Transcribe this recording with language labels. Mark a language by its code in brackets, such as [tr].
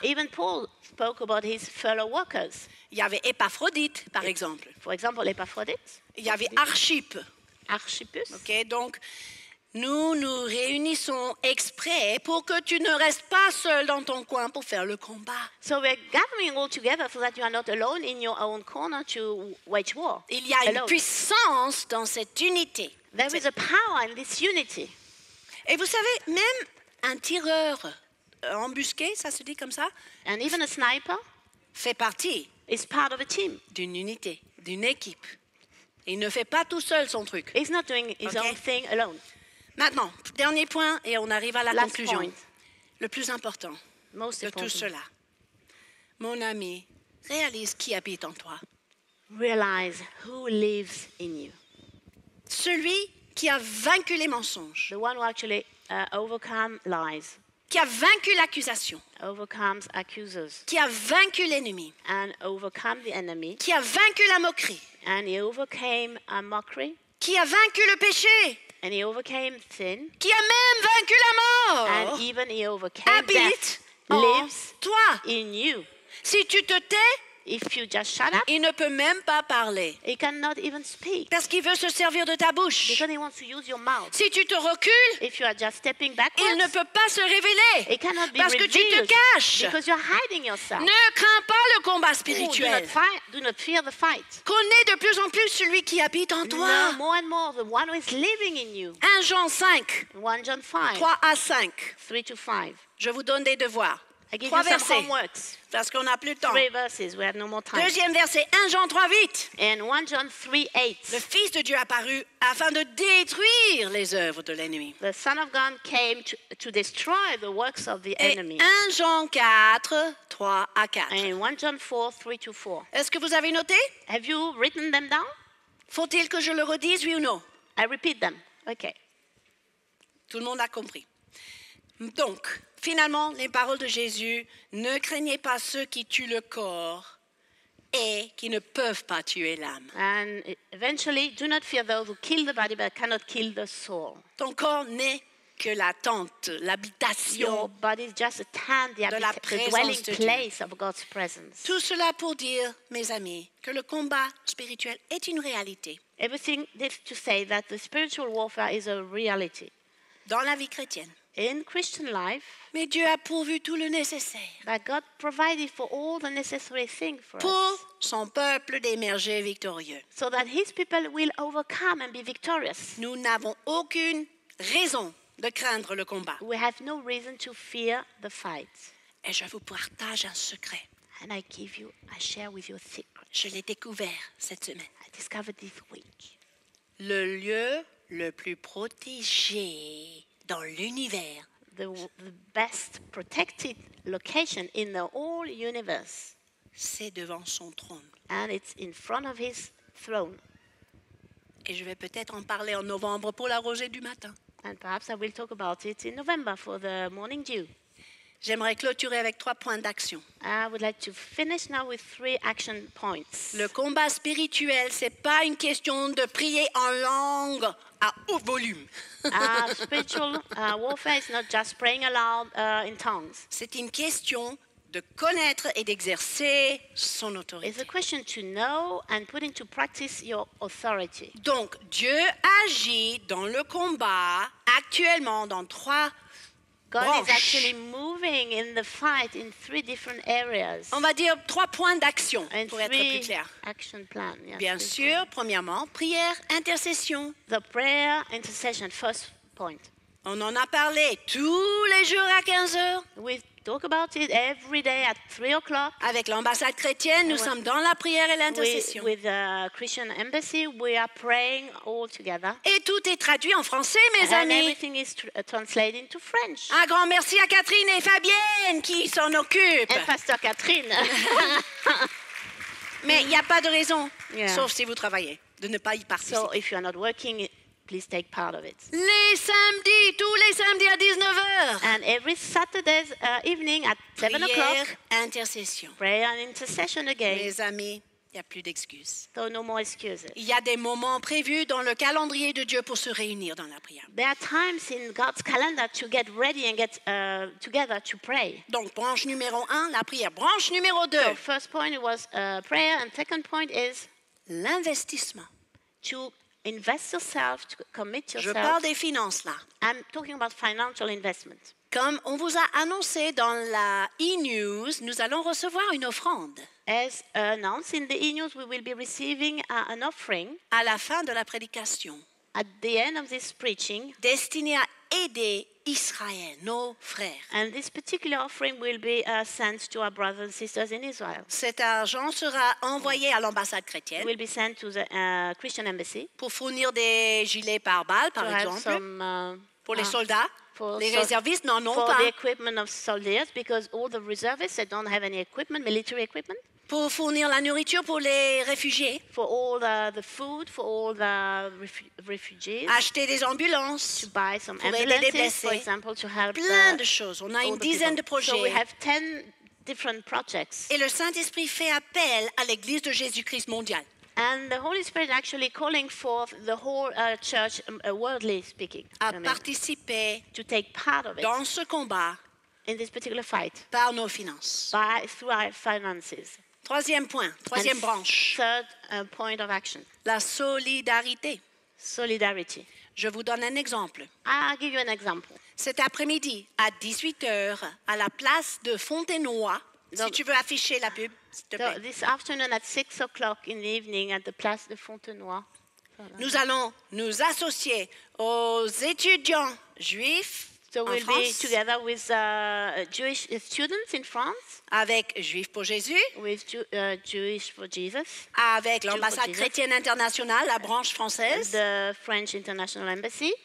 [en] Even Paul spoke about his fellow workers. [fr] Il y avait Épaphrodite, par exemple. [en] For example, Epaphrodite. [fr] Il y avait Archip. [en] Archippus. [fr] Ok, donc nous nous réunissons exprès pour que tu ne restes pas seul dans ton coin pour faire le combat. [en] So we're gathering all together so that you are not alone in your own corner to wage war. [fr] Il y a [en] alone. [fr] Une puissance dans cette unité. [en] There is a power in this unity. [fr] Et vous savez, même un tireur embusqué, ça se dit comme ça, [en] and even a sniper [fr] fait partie [en] is part of a team. [fr] D'une unité, d'une équipe. Il ne fait pas tout seul son truc. [en] He's not doing his okay. own thing alone. [fr] Maintenant, dernier point et on arrive à la [en] Last [fr] conclusion. [en] Point. [fr] Le plus important [en] Most [fr] de [en] important. [fr] Tout cela. Mon ami, réalise qui habite en toi. [en] Realize who lives in you. [fr] Celui qui a vaincu les mensonges. [en] The one who actually overcome lies. [fr] Qui a vaincu l'accusation. [en] Overcomes accusers. [fr] Qui a vaincu l'ennemi. [en] And overcome the enemy. [fr] Qui a vaincu la moquerie. [en] And he overcame a mockery. [fr] Qui a vaincu le péché. [en] And he overcame sin. [fr] Qui a même vaincu la mort. [en] And even he overcame death. [fr] Habite en toi. [en] In you. [fr] Si tu te tais, [en] If you just shut up, [fr] il ne peut même pas parler. [en] He cannot even speak. [fr] Parce qu'il veut se servir de ta bouche. [en] Because he wants to use your mouth. [fr] Si tu te recules, [en] if you are just stepping backwards, [fr] il ne peut pas se révéler. [en] He cannot be [fr] parce [en] revealed [fr] que tu te caches. [en] Because you're hiding yourself. [fr] Ne crains pas le combat spirituel. [en] Do not fear the fight. [fr] Connais de plus en plus celui qui habite en toi. [en] Know more and more the one who is living in you. [fr] 1 Jean 5. [en] 1 John 5. [fr] 3 à 5. [en] 3 to 5. [fr] Je vous donne des devoirs. [en] I give 3 you some homeworks. [fr] Parce qu'on n'a plus de temps. [en] 3 verses, we have no more time. [fr] Deuxième verset, 1 Jean 3, 8. [en] And 1 John 3, 8. [fr] Le Fils de Dieu est apparu afin de détruire les œuvres de l'ennemi. [en] The Son of God came to destroy the works of the enemy. [fr] Et 1 Jean 4, 3 à 4. [en] And 1 John 4, 3 to 4. [fr] Est-ce que vous avez noté? [en] Have you written them down? [fr] Faut-il que je le redise, oui ou non? [en] I repeat them. Okay. [fr] Tout le monde a compris. Donc, finalement, les paroles de Jésus, ne craignez pas ceux qui tuent le corps et qui ne peuvent pas tuer l'âme. [en] And eventually, do not fear those who kill the body but cannot kill the soul. [fr] Ton corps n'est que la tente, l'habitation. [en] Your body is just a tent, the dwelling place of God's presence. [fr] Tout cela pour dire, mes amis, que le combat spirituel est une réalité. [en] Everything this to say that the spiritual warfare is a reality. [fr] Dans la vie chrétienne. [en] In Christian life, [fr] mais Dieu a pourvu tout le nécessaire. [en] That God provided for all the necessary things for [fr] pour [en] us. [fr] Pour son peuple d'émerger victorieux. [en] So that His people will overcome and be victorious. [fr] Nous n'avons aucune raison de craindre le combat. [en] We have no reason to fear the fight. [fr] Et je vous partage un secret. [en] And I share with you a secret. [fr] Je l'ai découvert cette semaine. [en] I discovered this week. [fr] Le lieu le plus protégé dans l'univers. [en] The best protected location in the whole universe. [fr] C'est devant son trône. [en] And it's in front of his throne. [fr] Et je vais peut-être en parler en novembre pour la rosée du matin. [en] And perhaps I will talk about it in November for the morning dew. [fr] J'aimerais clôturer avec 3 points d'action. [en] I would like to finish now with 3 action points. [fr] Le combat spirituel, c'est pas une question de prier en langue à haut volume. [en] Spiritual warfare is not just praying aloud in tongues. [fr] C'est une question de connaître et d'exercer son autorité. [en] It's a question to know and put into practice your authority. [fr] Donc Dieu agit dans le combat actuellement dans 3 [en] God is actually moving in the fight in 3 different areas. [fr] On va dire 3 points d'action [en] and [fr] pour être plus clair. [en] Action plan, yes, [fr] bien sûr, point. Premièrement, prière, intercession. [en] The prayer, intercession, first point. [fr] On en a parlé tous les jours à 15h. [en] We talk about it every day at 3 o'clock. [fr] Avec l'ambassade chrétienne, nous sommes dans la prière et l'intercession. [en] With the Christian embassy, we are praying all together. [fr] Et tout est traduit en français, mes [en] and [fr] amis. [en] And everything is translated into French. [fr] Un grand merci à Catherine et Fabienne qui s'en occupent. Et Pasteur Catherine. Mais il n'y a pas de raison, sauf si vous travaillez, de ne pas y participer. [en] So if you are not working, please take part of it. [fr] Les samedis, tous les samedis à 19h. [en] And every Saturday evening at 7 [fr] prière, [en] o'clock. [fr] Intercession. [en] Prayer and intercession again. [fr] Mes amis, il n'y a plus d'excuses. [en] So no more excuses. [fr] Il y a des moments prévus dans le calendrier de Dieu pour se réunir dans la prière. [en] There are times in God's calendar to get ready and get together to pray. [fr] Donc, branche numéro 1, la prière. Branche numéro 2. [en] So first point was prayer and second point is [fr] l'investissement. [en] To invest yourself, to commit yourself. [fr] Je parle des finances là. [en] I'm talking about financial investment. [fr] Comme on vous a annoncé dans la e-news, nous allons recevoir une offrande. [en] As announced in the e-news, we will be receiving an offering. [fr] À la fin de la prédication. [en] At the end of this preaching. [fr] Destinée à aider Israël, nos frères. [en] And this particular offering will be sent to our brothers and sisters in Israel. [fr] Cet argent sera envoyé à l'ambassade chrétienne. [en] Will be sent to the Christian embassy. [fr] Pour fournir des gilets pare-balles, par exemple. Pour les soldats. Les réservistes n'en ont [en] for [fr] pas. [en] For the equipment of soldiers, because all the reservists they don't have any equipment, military equipment. [fr] Pour fournir la nourriture pour les réfugiés. [en] For all the food for all the refugees. [fr] Acheter des ambulances. [en] To buy some [fr] pour [en] ambulances, [fr] aider les blessés. [en] For example, to help [fr] plein de choses. On a une dizaine de projets. [en] So we have 10 different projects. [fr] Et le Saint-Esprit fait appel à l'Église de Jésus-Christ mondiale. [en] And the Holy Spirit actually calling forth the whole church, worldly speaking. [fr] À participer. [en] To take part of it. [fr] Dans ce combat. [en] In this particular fight. [fr] Par nos finances. [en] By, through our finances. [fr] Troisième point, troisième branche. [en] Third point of action. [fr] La solidarité. [en] Solidarity. [fr] Je vous donne un exemple. [en] I'll give you an example. [fr] Cet après-midi, à 18h, à la place de Fontenoy, si tu veux afficher la pub, s'il te plaît. [en] This afternoon at 6 o'clock in the evening at the place de Fontenoy. [fr] Nous allons nous associer aux étudiants juifs [en] so [fr] en [en] we'll [fr] France. [en] Be together with Jewish students in France. [fr] Avec Juifs pour Jésus. [en] With Jewish for Jesus. [fr] Avec l'ambassade chrétienne internationale, la branche française. [en] The French International Embassy.